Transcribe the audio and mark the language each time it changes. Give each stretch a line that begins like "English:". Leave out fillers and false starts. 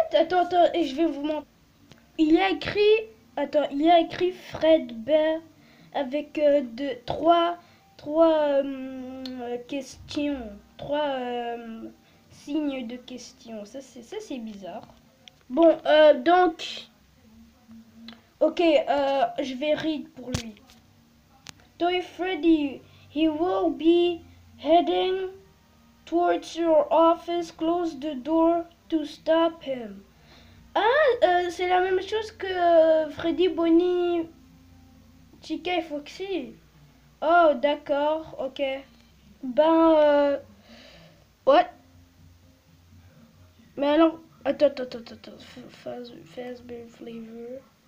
French: Attends, et je vais vous montrer. Il y a écrit Fredbear avec signes de questions. Ça c'est bizarre. Bon, donc, ok, je vais
English: read
French: pour lui.
English: Toy Freddy, he will be heading towards your office. Close the door to stop him.
French: Ah, c'est la même chose que Freddy, Bonnie, Chica et Foxy. Oh, d'accord, ok. Ben,
English: what?
French: Mais alors... Attends, Fazbear Flavor.